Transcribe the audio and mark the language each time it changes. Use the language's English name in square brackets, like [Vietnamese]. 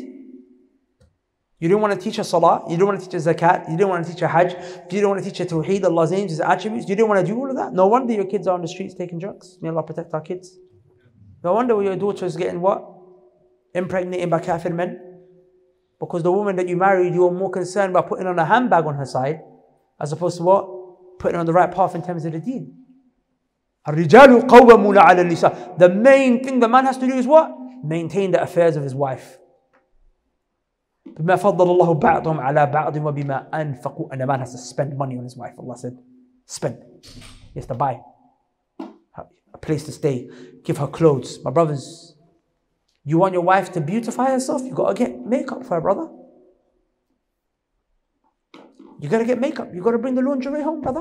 [English] You didn't want to teach a salah, you didn't want to teach a zakat, you didn't want to teach a hajj, you didn't want to teach a tawheed, Allah's names, His attributes, you didn't want to do all of that? No wonder your kids are on the streets taking drugs. May Allah protect our kids. No wonder your daughter is getting what? Impregnated by kafir men. Because the woman that you married, you were more concerned about putting on a handbag on her side, as opposed to what? Putting on the right path in terms of the deen. [Arabic] الرجال قوامون على النساء. [English] The main thing the man has to do is what? Maintain the affairs of his wife. [Arabic] بما فضل الله بعضهم على بعض وبما أنفقوا. [English] And a man has to spend money on his wife. Allah said, spend. He has to buy a place to stay, give her clothes. My brothers, you want your wife to beautify herself? You got to get makeup for her, brother. You got to get makeup. You got to bring the lingerie home, brother.